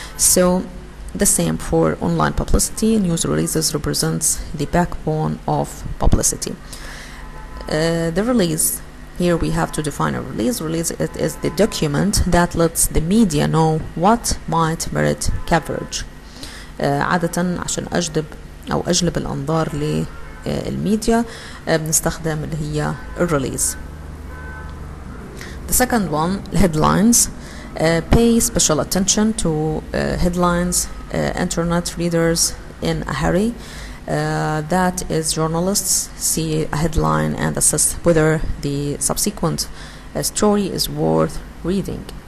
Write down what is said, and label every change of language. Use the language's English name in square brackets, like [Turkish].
[English] So the same for online publicity. News releases represents the backbone of publicity. The release, here we have to define a release. Release, it is the document that lets the media know what might merit coverage. [Arabic] عادة عشان أجذب أو أجلب الأنظار للميديا بنستخدم اللي هي الريليز. [English] The second one, headlines. Pay special attention to headlines. Internet readers in a hurry, that is, journalists see a headline and assess whether the subsequent story is worth reading.